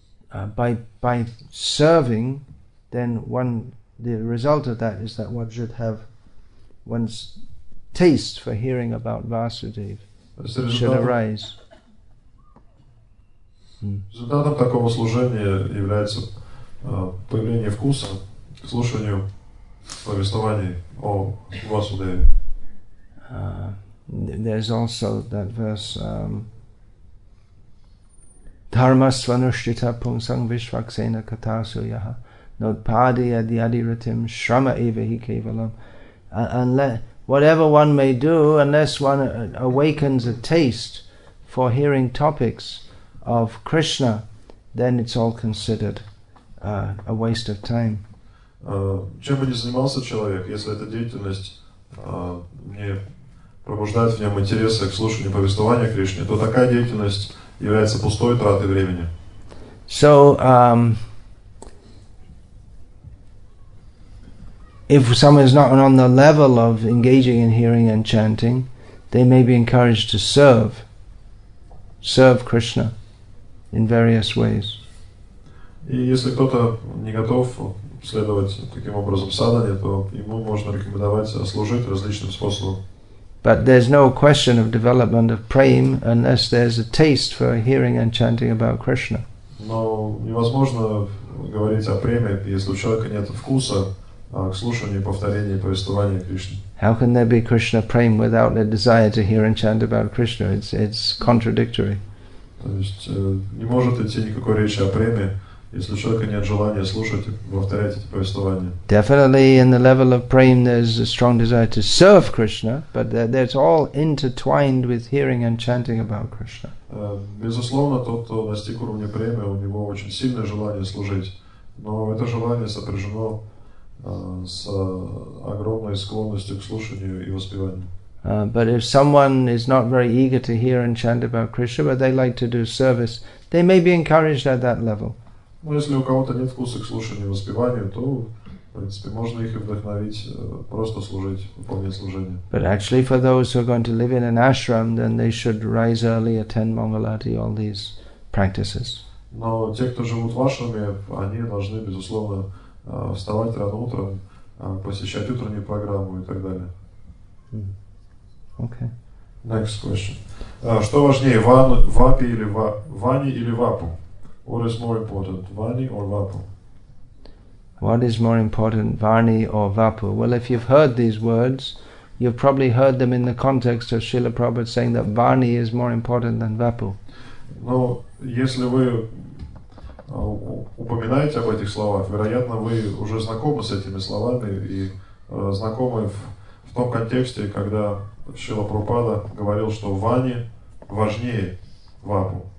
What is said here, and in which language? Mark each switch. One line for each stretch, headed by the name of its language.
English: By serving, then one, the result of that is that one should have one's taste for hearing about Vasudev should arise.
Russian: Результатом такого служения является появление вкуса к слушанию повествований о Васудеве.
English: There's also that verse
Sanskrit: Dharma Svanushita Pungsang Vishvaksena Katasuyaha Nodpadi Adyadiratim Shrama Ivahi Kevalam.
English: Whatever one may do, unless one awakens a taste for hearing topics of Krishna, then it's all considered a waste of time.
Russian: Чем бы ни занимался человек, если эта деятельность не пробуждает в нем интересы к слушанию повествования Кришны, то такая деятельность является пустой тратой времени.
English: So, if someone is not on the level of engaging in hearing and chanting, they may be encouraged to serve Krishna in various ways.
Russian: И если кто-то не готов следовать таким образом садхане, то ему можно рекомендовать служить различным способом.
English: But there's no question of development of prem unless there's a taste for hearing and chanting about Krishna.
Russian: Но невозможно говорить о преме, если у человека нет вкуса к слушанию, повторению, повествованию Кришны.
English: How can there be Krishna prem without a desire to hear and chant about Krishna? It's contradictory.
Russian: То есть не может идти никакой речи о преме, если у человека нет желания слушать и повторять эти повествования.
English: Definitely in the level of prem there's a strong desire to serve Krishna, but that's all intertwined with hearing and chanting about Krishna.
Russian: Безусловно, тот, кто достиг уровня премы, у него очень сильное желание служить, но это желание сопряжено с огромной склонностью к слушанию и воспеванию.
English: But if someone is not very eager to hear and chant about Krishna, but they like to do service, they may be encouraged at that level.
Russian: Но если у кого-то нет вкуса к слушанию и воспеванию, то, в принципе, можно их и вдохновить просто служить, выполнять служение.
English: But actually, for those who are going to live in an ashram, then they should rise early, attend Mangalati, all these practices.
Russian: Но те, кто живут в ашраме, они должны, безусловно, вставать рано утром, посещать утреннюю программу и так далее.
English: Okay. Next question.
Russian: Что важнее, вани или вапу?
English: What is more important, vani or vapu? What is more important, vani or vapu? Well, if you've heard these words, you've probably heard them in the context of Srila Prabhupada saying that vani is more important than vapu.
Russian: Но если вы упоминаете об этих словах, вероятно, вы уже знакомы с этими словами и знакомы в том контексте, когда Шрила Прабхупада говорил, что вани важнее вапу.